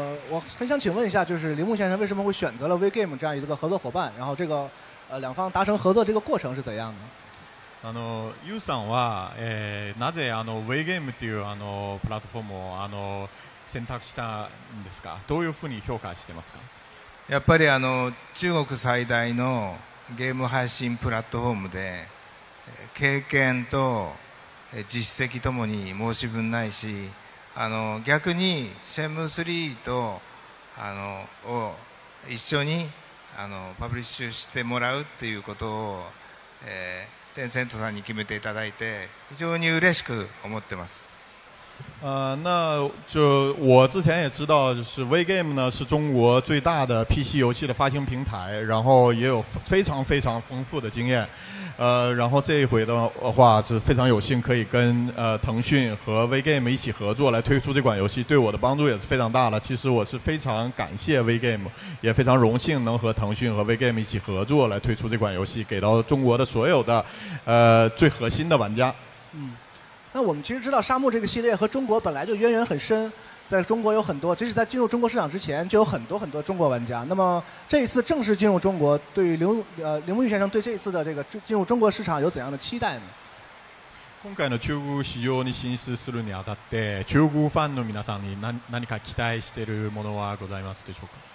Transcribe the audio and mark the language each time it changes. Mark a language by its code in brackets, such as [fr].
[zh] 我很想请问一下，就是铃木先生为什么会选择了 WeGame 这样一个合作伙伴？然后这个两方达成合作这个过程是怎样的？ [ja] ユウさんは、なぜあの WeGame というあのプラットフォームをあの選択したんですか？どういうふうに評価してますか？やっぱりあの中国最大のゲーム配信プラットフォームで経験と実績ともに申し分ないし。あの逆にシェンムー3とあのを一緒にあのパブリッシュしてもらうということを、テンセントさんに決めていただいて非常に嬉しく思ってます。 [zh] 那就我之前也知道就是 WeGame 呢是中国最大的 PC 游戏的发行平台，然后也有非常非常丰富的经验，然后这一回的话是非常有幸可以跟腾讯和 WeGame 一起合作来推出这款游戏，对我的帮助也是非常大的。其实我是非常感谢 WeGame， 也非常荣幸能和腾讯和 WeGame 一起合作来推出这款游戏，给到中国的所有的最核心的玩家。那我们其实知道沙漠这个系列和中国本来就渊源很深，在中国有很多，即使在进入中国市场之前就有很多很多中国玩家。那么这一次正式进入中国，对于铃木玉先生对这一次的这个进入中国市场有怎样的期待呢？ [ja] 今回の中国市場に進出するにあたって、中国ファンの皆さんに何か期待しているものはございますでしょうか？